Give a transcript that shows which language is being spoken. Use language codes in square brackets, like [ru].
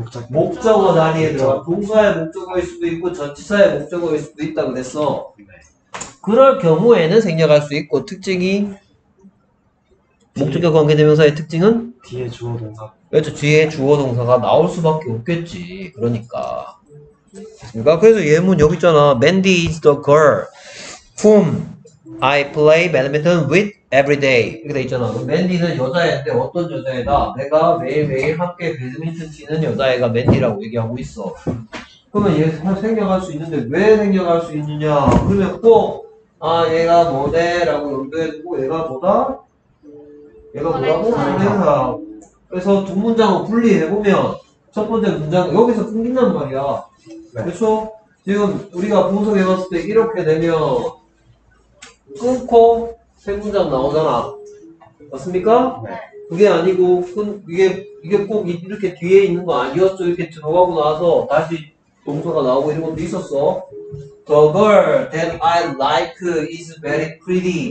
[ko] 목적어 자리에 들어가. 동사의 목적어일 수도 있고 전치사의 목적어일 수도 있다고 그랬어. 그럴 경우에는 생략할 수 있고 특징이 목적격 관계대명사의 특징은 뒤에 주어 동사. 그렇죠. 뒤에 주어 동사가 나올 수밖에 없겠지. 그러니까. 그러니까 그래서 예문 여기 있잖아. [en] Mandy is the girl whom I play badminton with every day. [ko] 이렇게 돼 있잖아. Mandy는 여자애인데 어떤 여자애다. 내가 매일매일 함께 배드민턴 치는 여자애가 Mandy라고 얘기하고 있어. 그러면 얘 생략할 수 있는데 왜 생략할 수 있느냐? 그러면 또 아 얘가 뭐대라고 연결해두고 얘가 뭐다? 얘가 뭐라고? 선행사. 그래서 두 문장을 분리해보면 첫 번째 문장 여기서 끊긴단 말이야. 네. 그렇죠? 지금 우리가 분석해봤을 때 이렇게 되면 끊고 세 문장 나오잖아. 맞습니까? 네. 그게 아니고 이게 꼭 이렇게 뒤에 있는 거 아니었죠? 이렇게 들어가고 나서 다시 동서가 나오고 이런 것도 있었어. [en] The girl that I like is very pretty.